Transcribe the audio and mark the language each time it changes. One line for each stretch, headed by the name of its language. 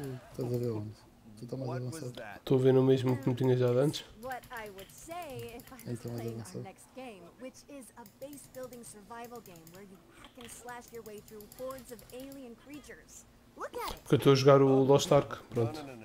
Portuguese: Estou a ver o mesmo que me tinhas dado antes.
English: What I would say if I was playing our next game, which is a base building survival game where you hack and slash your way through hordes of alien creatures.
Portuguese: Porque eu estou a jogar o Lost Ark, pronto.